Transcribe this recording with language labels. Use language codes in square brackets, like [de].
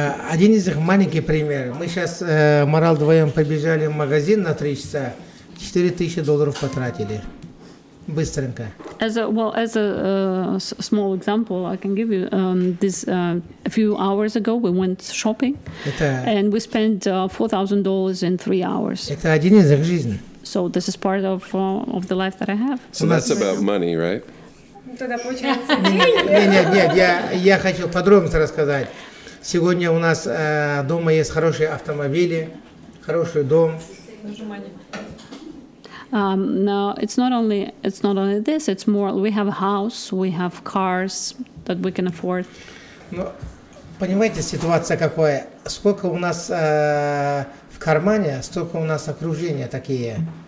[ru] Один из них маленький пример. Мы сейчас Марал вдвоем побежали в магазин на 3 часа, $4,000 потратили. Быстренько. [en] As a small example, I can give you this. A few hours ago, we went shopping, and we spent $4,000 in 3 hours. [ru] Это один из их жизни. [en] So this is part of the life that I have. So that's about money, right? [ru] Тогда получается деньги. Нет, я хочу подробности рассказать. Сегодня у нас дома есть хорошие автомобили, хороший дом. [en] No, it's not only this, it's more, we have a house, we have cars that we can afford. [ru] Но, понимаете, ситуация какая? Сколько у нас в кармане, столько у нас окружения такие.